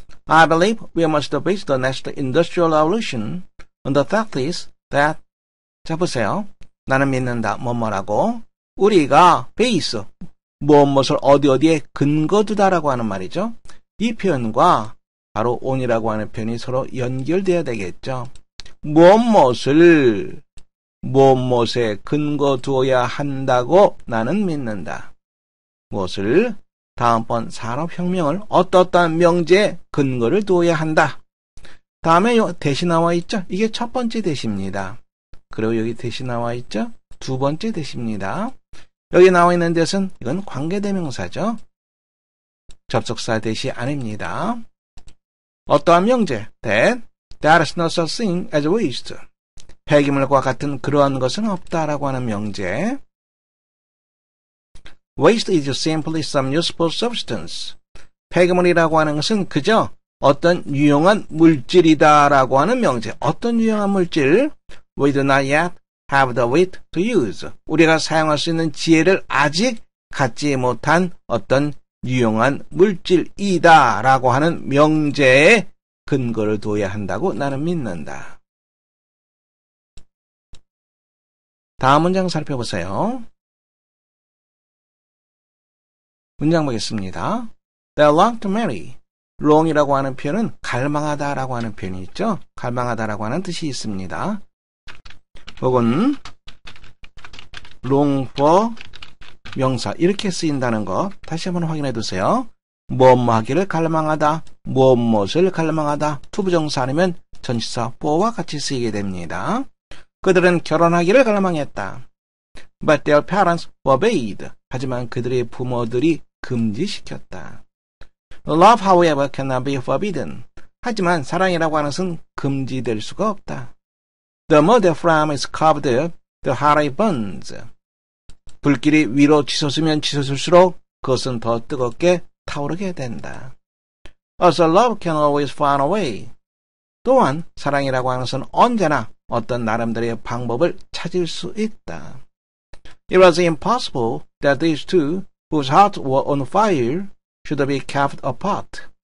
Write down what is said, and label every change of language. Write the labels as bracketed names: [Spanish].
[English] I believe we must base the next industrial revolution on the fact is that [Korean] 자, 보세요. 나는 믿는다. 뭐뭐라고 우리가 base 무엇무엇을 어디어디에 근거두다라고 하는 말이죠. 이 표현과 바로 on이라고 하는 표현이 서로 연결되어야 되겠죠. 무엇무엇을 무엇무엇에 근거두어야 한다고 나는 믿는다. 무엇을 다음번 산업혁명을 어떠어떠한 명제에 근거를 두어야 한다. 다음에 대시 나와 있죠. 이게 첫 번째 대시입니다. 그리고 여기 대시 나와 있죠. 두 번째 대시입니다. 여기 나와 있는 뜻은 이건 관계대명사죠. 접속사 대시 아닙니다. 어떠한 명제 [English] that is not such thing as waste. [Korean] 폐기물과 같은 그러한 것은 없다라고 하는 명제. [English] Waste is simply some useful substance. [Korean] 폐기물이라고 하는 것은 그저 어떤 유용한 물질이다라고 하는 명제. 어떤 유용한 물질? [English] We do not yet have the wit to use. [Korean] 우리가 사용할 수 있는 지혜를 아직 갖지 못한 어떤 유용한 물질이다라고 하는 명제에 근거를 둬야 한다고 나는 믿는다. 다음 문장 살펴보세요. 문장 보겠습니다. [English] They long to marry. [Korean] long이라고 하는 표현은 갈망하다라고 하는 표현이 있죠. 갈망하다라고 하는 뜻이 있습니다. 혹은 long for 명사 이렇게 쓰인다는 거 다시 한번 확인해 두세요. 무엇뭐 하기를 갈망하다, 무엇뭐을 갈망하다, 투부정사 아니면 전치사 for와 같이 쓰이게 됩니다. 그들은 결혼하기를 갈망했다. [English] But their parents forbade. [Korean] 하지만 그들의 부모들이 금지시켰다. [English] Love, however, cannot be forbidden. [Korean] 하지만 사랑이라고 하는 것은 금지될 수가 없다. [English] The more the flame is carved, the harder it burns. [Korean] 불길이 위로 치솟으면 치솟을수록 그것은 더 뜨겁게 타오르게 된다. [English] As a love can always find a way. [Korean] 또한 사랑이라고 하는 것은 언제나 어떤 나름대로의 방법을 찾을 수 있다. [English] It was impossible that these two, whose hearts were on fire, should be kept apart.